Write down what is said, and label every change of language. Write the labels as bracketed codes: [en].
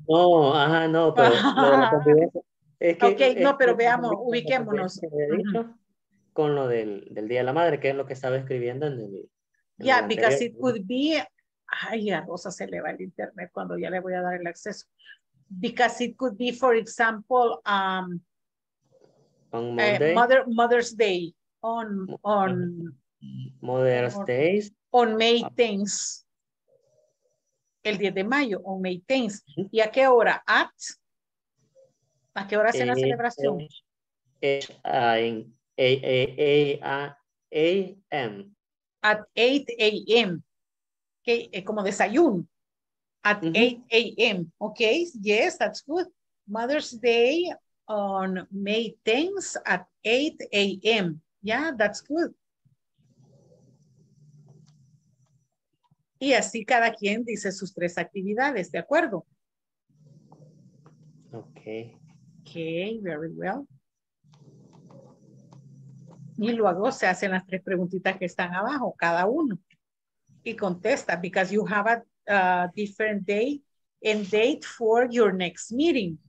[es] No, ajá, no, pero. Veamos, ubiquémonos. Con lo del Día de la Madre, que es lo que estaba escribiendo en el. [en] Yeah, because it could be. [es] Ay, a Rosa se le va el internet cuando ya le voy a dar el acceso. [en] Because it could be, for example, Mother's Day. On Mother's Day. On May 10th. [es] El 10 de mayo, [en] on May 10th. [es] ¿Y a qué hora? ¿A qué hora hace la celebración? [en] A.M. At 8 a.m. [es] Que, como desayuno [en] at 8 a.m. Ok, yes, that's good. Mother's Day on May 10th at 8 a.m. Yeah, that's good. [es] Y así cada quien dice sus tres actividades, ¿de acuerdo? [en] Ok. Ok, very well. [es] Y luego se hacen las tres preguntitas que están abajo, cada uno. Y contesta, [en] because you have a different day and date for your next meeting.